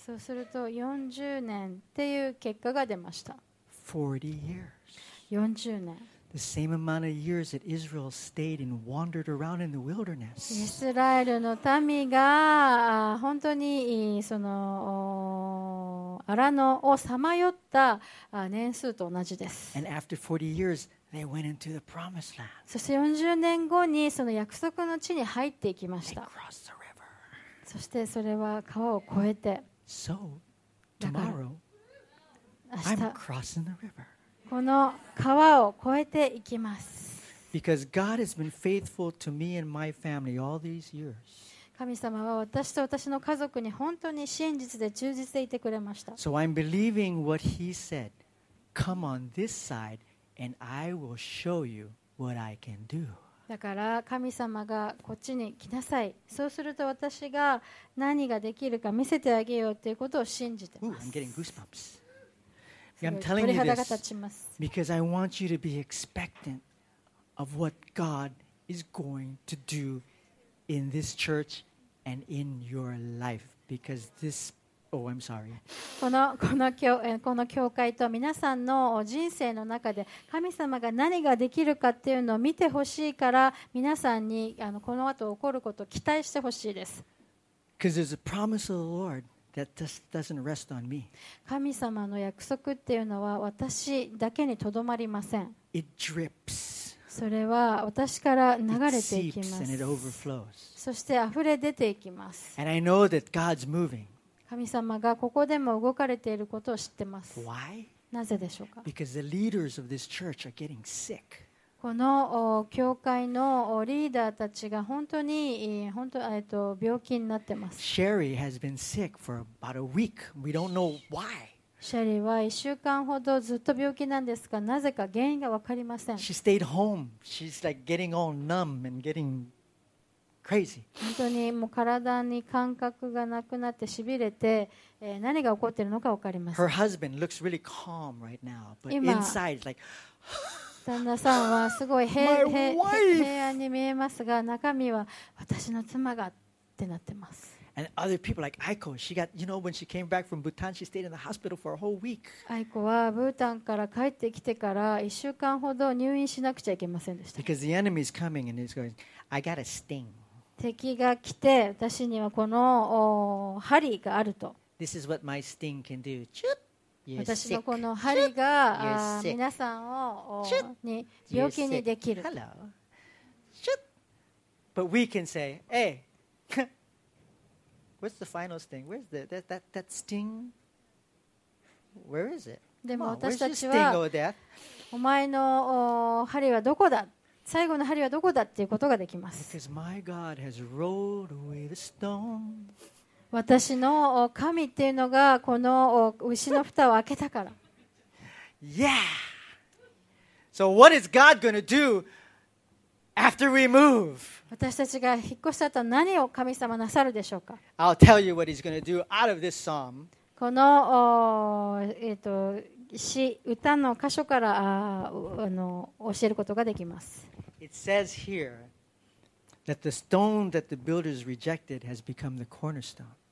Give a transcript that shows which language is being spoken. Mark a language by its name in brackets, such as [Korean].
[Japanese] そうすると40年っていう結果が出ました。 [English] 40 years. [Japanese] 40年。 [English] The same amount of years that Israel stayed and wandered around in the wilderness. [Japanese] イスラエルの民が本当にその荒野をさまよった年数と同じです。 [English] And after 40 years,They went into the promised land. [Japanese] そして40年後にその約束の地に入っていきました。 [English] They crossed the river. [Japanese] そしてそれは川を越えて。 [English] So, tomorrow, [Japanese] 明日 [English] I'm crossing the river. [Japanese] この川を越えていきます。 [English] Because God has been faithful to me and my family all these years. [Japanese] 神様は私と私の家族に本当に真実で忠実でいてくれました。 [English] So I'm believing what he said. Come on this side, and I will show you what I can do. [Japanese] だから神様がこっちに来なさい。そうすると私が何ができるか見せてあげようということを信じてます。 [English] I'm getting goosebumps. I'm telling you this because I want you to be expectant of what God is going to do in this church and in your life. Because this, oh, I'm sorry. [Japanese] この教会と皆さんの人生の中で神様が何ができるかっていうのを見てほしいから皆さんにこの後起こることを期待してほしいです。 [English] Because there's a promise of the Lord. That just doesn't rest on me. [Japanese] 神様の約束っていうのは私だけにとどまりません。 [English] It drips. [Japanese] それは私から流れていきます。 [English] It seeps and it overflows. [Japanese] そして溢れ出ていきます。 [English] And I know that God's moving. [Japanese] 神様がここでも動かれていることを知ってます。 [English] Why? [Japanese] なぜでしょうか? [English] Because the leaders of this church are getting sick. [Japanese] この教会のリーダーたちが本当に病気になってます。 [English] Sherry has been sick for about a week. We don't know why. [Japanese] シェリーは1週間ほどずっと病気なんですが、なぜか原因が分かりません。 [English] She stayed home. She's like getting all numb and getting crazy. [Japanese] 本当にもう体に感覚がなくなってしびれて、何が起こっているのか分かりません。 [English] Her husband looks really calm right now, but inside it's like. [Japanese] 旦那さんはすごい平安に見えますが、中身は私の妻がってなってます。 [English] And other people like Aiko, she got, you know, when she came back from Bhutan, she stayed in the hospital for a whole week. [Japanese] Aiko はブータンから帰ってきてから1週間ほど入院しなくちゃいけませんでした。 [English] Because the enemy is coming and he's going, I got a sting. [Japanese] 敵が来て私にはこの針があると。 [English] This is what my sting can do. [Japanese] チュッ。私のこの針が皆さんを病気にできる。 [English] But we can say, hey, what's the final sting? Where's the, that sting? Where is it? [Japanese] でも私たちは、お前の針はどこだ? 最後の針はどこだっていうことができます。 [English] Because my God has rolled away the stone. [Japanese] 私の神っていうのがこの牛の蓋を開けたから。 [English] Yeah! So what is God going to do after we move? [Japanese] 私たちが引っ越した後何を神様なさるでしょうか? [English] I'll tell you what he's going to do out of this psalm. [Japanese] この詩、歌の箇所から教えることができます。 [English] It says here that the stone that the builders rejected has become the cornerstone.